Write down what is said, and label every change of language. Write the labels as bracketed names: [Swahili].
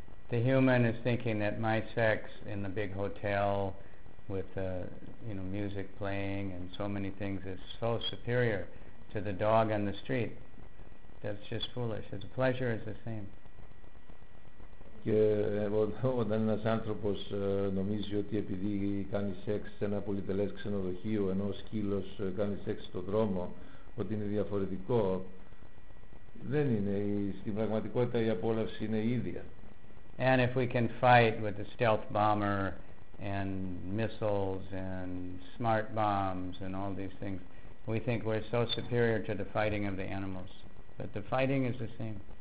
[English] The human is thinking that my sex in the big hotel with music playing and so many things is so superior to the dog on the street. That's just foolish. The pleasure is the same. [Greek] Και όταν ένας άνθρωπος νομίζει ότι επειδή κάνει σεξ σε ένα πολυτελές ξενοδοχείο, ενώ ο σκύλος κάνει σεξ στον δρόμο, ότι είναι διαφορετικό, δεν είναι. Στην πραγματικότητα η απόλαυση είναι η ίδια. [English] And if we can fight with a stealth bomber and missiles and smart bombs and all these things, we think we're so superior to the fighting of the animals. But the fighting is the same.